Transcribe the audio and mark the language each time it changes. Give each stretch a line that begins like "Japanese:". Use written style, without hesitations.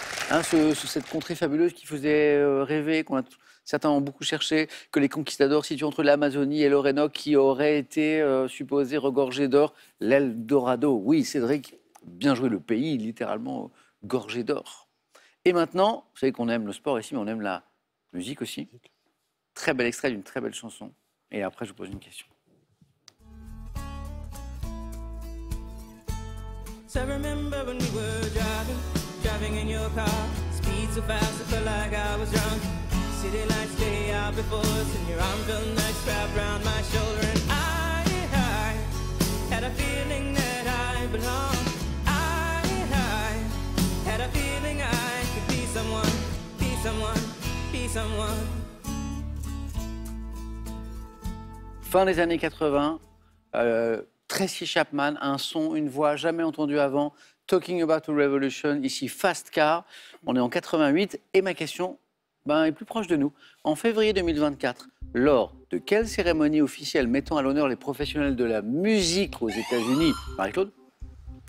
French: Hein, cette contrée fabuleuse qui faisait rêver, qu'on a certains ont beaucoup cherché, que les conquistadors situés entre l'Amazonie et l'Orénoque qui auraient été supposés regorger d'or, l'Eldorado. Oui, Cédric, bien joué le pays, littéralement gorgé d'or. Et maintenant, vous savez qu'on aime le sport ici, mais on aime la musique aussi. Très bel extrait d'une très belle chanson. Et après, je vous pose une question.
English: So I remember when we were driving in your car, speed so fast, I felt like I was drunk. City lights lay out before us, and your arm felt nice wrapped round my shoulder. And I had a feeling that I belonged. I had a feeling I could be someone, be someone, be someone.
French: Fin des années 80, Tracy Chapman, un son, une voix jamais entendue avant.
English: Talking about a revolution,
French: ici Fast Car, on est en 88, et ma question est plus proche de nous. En février 2024, lors de quelle cérémonie officielle mettant à l'honneur les professionnels de la musique aux États-Unis, Marie-Claude ?